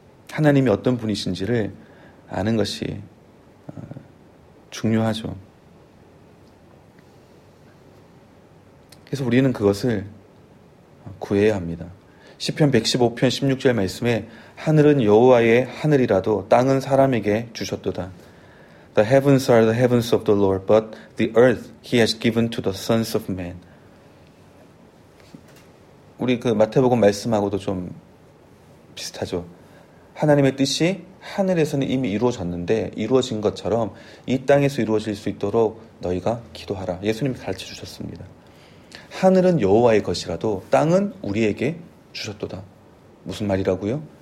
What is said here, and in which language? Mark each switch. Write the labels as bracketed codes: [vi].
[ko] 하나님이 어떤 분이신지를 아는 것이 중요하죠. 그래서 우리는 그것을 구해야 합니다. 시편 115편 16절 말씀에 하늘은 여호와의 하늘이라도 땅은 사람에게 주셨도다. [en] The heavens are the heavens of the Lord, but the earth he has given to the sons of men. [ko] 우리 그 마태복음 말씀하고도 좀 비슷하죠. 하나님의 뜻이 하늘에서는 이미 이루어졌는데 이루어진 것처럼 이 땅에서 이루어질 수 있도록 너희가 기도하라. 예수님이 가르쳐 주셨습니다. 하늘은 여호와의 것이라도 땅은 우리에게 주셨도다. 무슨 말이라고요?